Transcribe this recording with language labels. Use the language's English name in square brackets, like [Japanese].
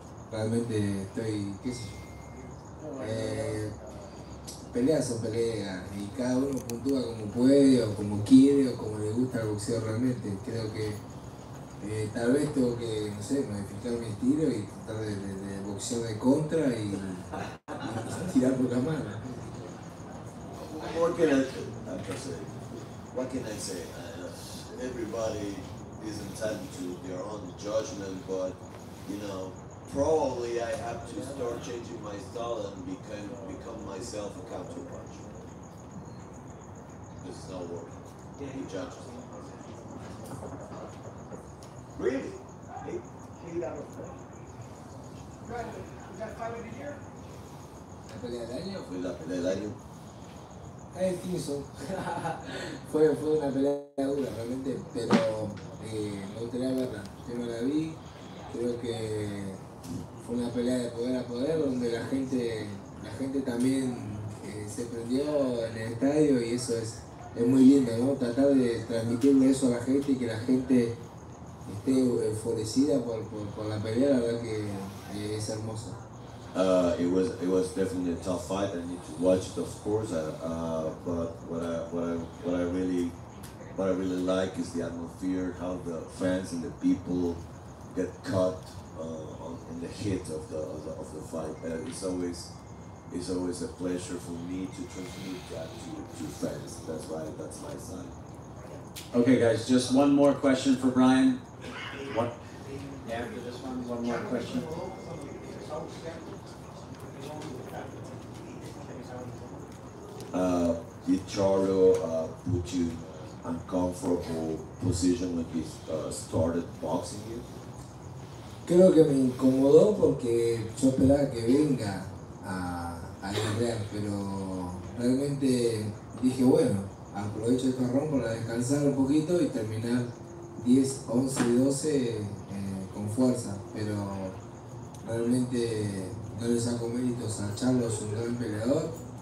[Spanish] Realmente estoy, qué sé yo, peleas son peleas y cada uno puntúa como puede o como quiere o como le gusta el boxeo realmente. Creo que Tal vez tengo que, no sé, modificar mi estilo y tratar de boxear de contra y tirar por la mano. [English] What can I say? Everybody is entitled to their own judgment, but you know, probably I have to start changing my style and become myself a counterpuncher. This is not working. He judges me. Really? I think so. [Spanish] fue una pelea dura realmente, pero me gustaría verla. Yo no la vi, creo que fue una pelea de poder a poder donde la gente también se prendió en el estadio y eso es muy lindo, ¿no? Tratar de transmitirle eso a la gente y que la gente esté enfurecida por la pelea, la verdad que es hermosa. [English] It was definitely a tough fight. I need to watch it, of course. But what I really like is the atmosphere, how the fans and the people get caught in the heat of the fight. It's always a pleasure for me to transmit that to fans. That's why that's my sign. Okay, guys, just one more question for Brian. What? After this one more question. Did Charlo put you in uncomfortable position when he started boxing you? [Spanish] Creo que me incomodó porque yo esperaba que venga a correr, pero realmente dije, bueno, aprovecho este ron para descansar un poquito y terminar 10, 11, 12 con fuerza, pero realmente no le saco méritos a Charlo, es un gran peleador.